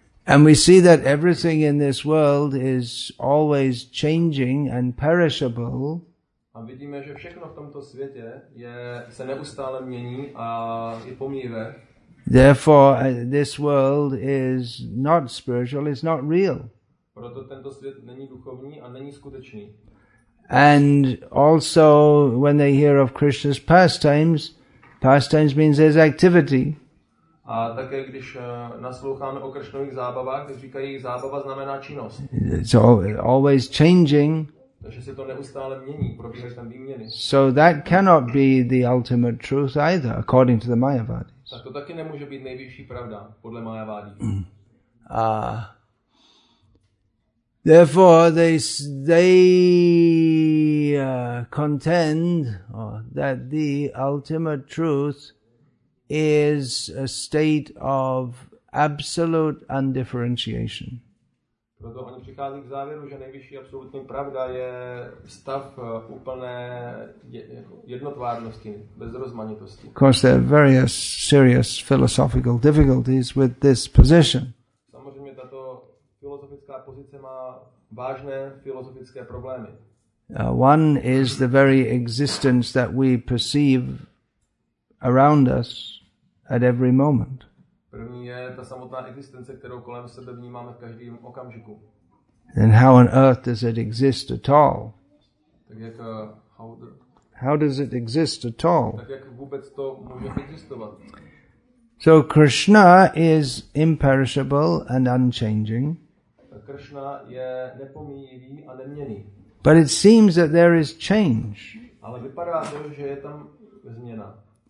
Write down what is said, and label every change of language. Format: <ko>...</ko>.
<en>And we see that everything in this world is always changing and perishable.</en> <cs>A vidíme, že všechno v tomto světě se neustále mění a je pomíjivé.</cs> <en>Therefore, this world is not spiritual, it's not real.</en> <cs>Proto tento svět není duchovní a není skutečný.</cs> <en>And also, when they hear of Krishna's pastimes, pastimes means there's activity.</en> <cs>A také když nasloucháme o Krishnových zábavách, tak říkají, zábava znamená činnost.</cs> <en>It's always changing.</en> <cs>Takže se to neustále mění, probíhají tam výměny.</cs> <en>So that cannot be the ultimate truth either, according to the Mayavadis.</en> <cs>Tak to taky nemůže být nejvyšší pravda, podle Mayavadí.</cs> <en>Therefore, they contend that the ultimate truth is a state of absolute undifferentiation.</en> <cs>Proto oni přichází k závěru, že nejvyšší absolutní pravda je stav úplné jednotvárnosti, bez rozmanitosti.</cs> <en>Of course, there are various serious philosophical difficulties with this position.</en> <cs>Samozřejmě tato filozofická pozice má vážné filozofické problémy.</cs> <en>One is the very existence that we perceive around us at every moment.</en> <cs>První je ta samotná existence, kterou kolem sebe vnímáme v každém okamžiku.</cs> <en>And how on earth does it exist at all?</en> <cs>Tak jak,</cs> <en>how does it exist at all?</en> <cs>Tak jak vůbec to může existovat?</cs> <en>So Krishna is imperishable and unchanging.</en> <cs>Krishna je nepomíjivý a neměnný.</cs> <en>But it seems that there is change.</en> <cs>Ale vypadá to, že je tam změna.</cs>